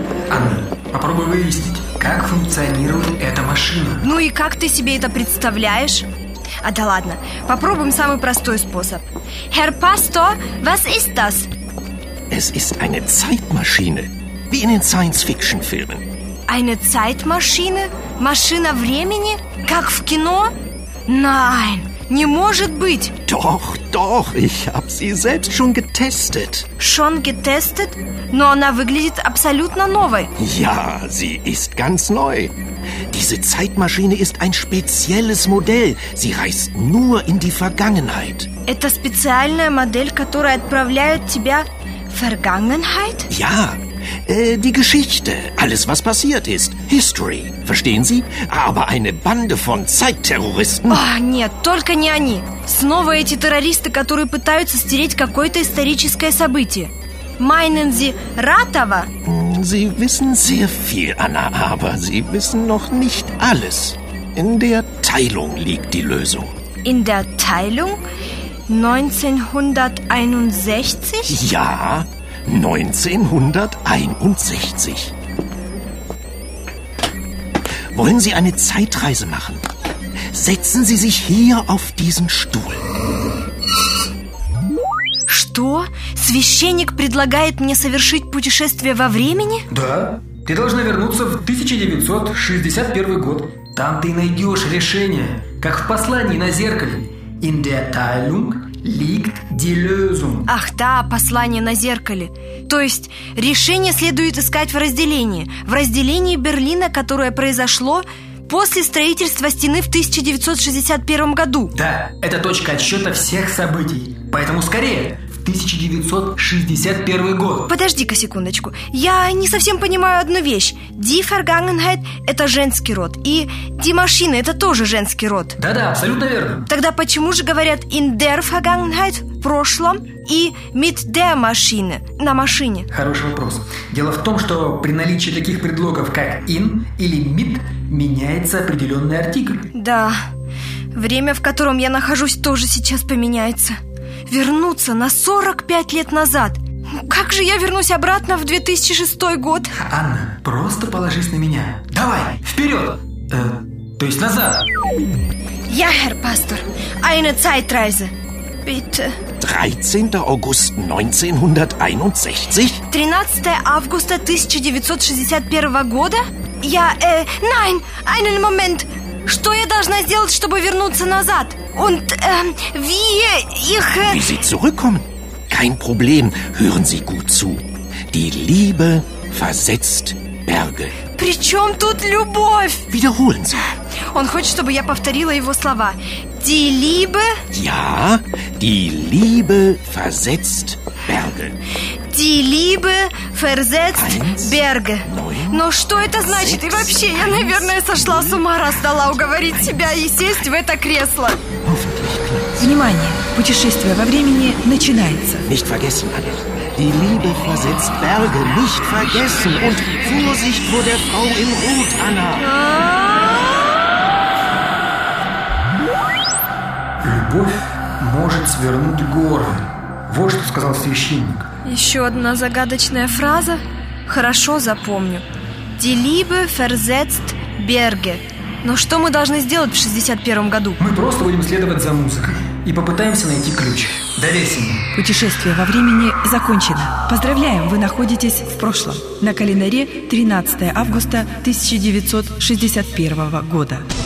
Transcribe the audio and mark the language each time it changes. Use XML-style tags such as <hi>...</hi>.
<ru>Анна, попробуй выяснить, как функционирует эта машина. Ну и как ты себе это представляешь? А да ладно, попробуем самый простой способ.</ru> <de>Herr Pastor, was ist das? Es ist eine Zeitmaschine, wie in den Science-Fiction-Filmen. Eine Zeitmaschine?</de> <ru>Машина времени? Как в кино?</ru> <de>Nein,</de> <ru>не может быть!</ru> <de>Doch, doch, ich hab sie selbst schon getestet. Schon getestet?</de> <ru>Но она выглядит абсолютно новой.</ru> <de>Ja, sie ist ganz neu. Diese Zeitmaschine ist ein spezielles Modell. Sie reist nur in die Vergangenheit.</de> <ru>Это специальная модель, которая отправляет тебя в Vergangenheit?</ru> <de>Ja, die Geschichte, alles was passiert ist. History, verstehen Sie? Aber eine Bande von Zeitterroristen...</de> <ru>Ach, нет, только не они. Снова эти террористы, которые пытаются стереть какое-то историческое событие.</ru> <de>Meinen Sie Ratava? Sie wissen sehr viel, Anna, aber Sie wissen noch nicht alles. In der Teilung liegt die Lösung. In der Teilung? 1961? Ja, 1961. Wollen Sie eine Zeitreise machen? Setzen Sie sich hier auf diesen Stuhl.</de> <ru>Что? Священник предлагает мне совершить путешествие во времени? Да. Ты должна вернуться в 1961 год. Там ты найдешь решение, как в послании на зеркале. In der Teilung liegt die Lösung. Ах да, послание на зеркале. То есть решение следует искать в разделении. В разделении Берлина, которое произошло после строительства стены в 1961 году. Да, это точка отсчета всех событий. Поэтому скорее... 1961 год. Подожди-ка секундочку. Я не совсем понимаю одну вещь.</ru> <de>Die Vergangenheit</de> <ru>– это женский род. И</ru> <de>die Maschine</de> <ru>– это тоже женский род. Да-да, абсолютно верно. Тогда почему же говорят</ru> <de>in der Vergangenheit</de> <ru>– в прошлом и</ru> <de>mit der Maschine</de> <ru>– на машине? Хороший вопрос. Дело в том, что при наличии таких предлогов, как in или mit, меняется определенный артикль. Да, время, в котором я нахожусь, тоже сейчас поменяется. Вернуться на 45 лет назад. Как же я вернусь обратно в 2006 год? Анна, просто положись на меня. Давай, вперед! То есть назад.</ru> <de>Я, Herr Pastor, eine Zeitreise. Bitte. 13. August 1961?</de> <ru>13. Августа 1961 года?</ru> <de>Я, nein, einen Moment.</de> <ru>Что я должна сделать, чтобы вернуться назад?</ru> <de>Und wie ich... Wie Sie zurückkommen? Kein Problem, hören Sie gut zu. Die Liebe versetzt Berge.</de> <ru>При чем тут любовь?</ru> <de>Wiederholen Sie.</de> <ru>Он хочет, чтобы я повторила его слова.</ru> <de>Die Liebe... Ja, die Liebe versetzt Berge. Die Liebe versetzt Berge.</de> <ru>Но что это значит? И вообще, я, наверное, сошла с ума, раз дала уговорить себя и сесть в это кресло. Внимание! Путешествие во времени начинается.</ru> <de>Nicht vergessen, Anna. Die Liebe versetzt Berge. Nicht vergessen. Und Vorsicht vor der Frau im Rot, Anna.</de> <ru>Любовь может свернуть горы. Вот что сказал священник. Еще одна загадочная фраза. Хорошо запомню.</ru> <de>Die Liebe versetzt Berge.</de> <ru>Но что мы должны сделать в 61-м году? Мы просто будем следовать за музыкой и попытаемся найти ключ. Доверься мне. Путешествие во времени закончено. Поздравляем, вы находитесь в прошлом. На календаре 13 августа 1961 года.</ru>